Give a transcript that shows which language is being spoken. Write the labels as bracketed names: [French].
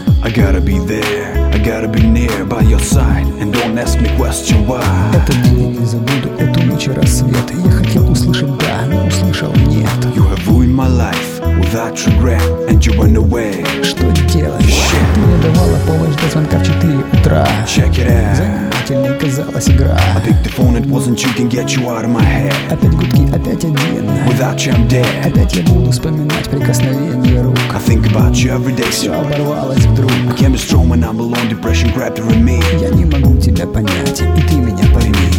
[English] I gotta be there, I gotta be near by your side, and don't ask me question why. [Russian] Этот день я не забуду, эту ночь и рассвет. Я хотел услышать да, но услышал нет. [English] You have ruined my life without regret, and you went away. [Russian] Что делать? [English] Shit. [Russian] Ты мне давала помощь до звонка в 4 утра. [English] Check it out. [Russian] Занимательной казалась игра. [English] I picked the phone, it wasn't you, can get you out of my head. [Russian] Опять гудки, опять один. [English] Without you I'm dead. [Russian] Опять я буду вспоминать прикосновение рук. [English] I think about you every day. [Russian] Все оборвалось вдруг. [English] I can't be strong when I'm alone, depression crept over me. [Russian] Я не могу тебя понять, и ты меня пойми.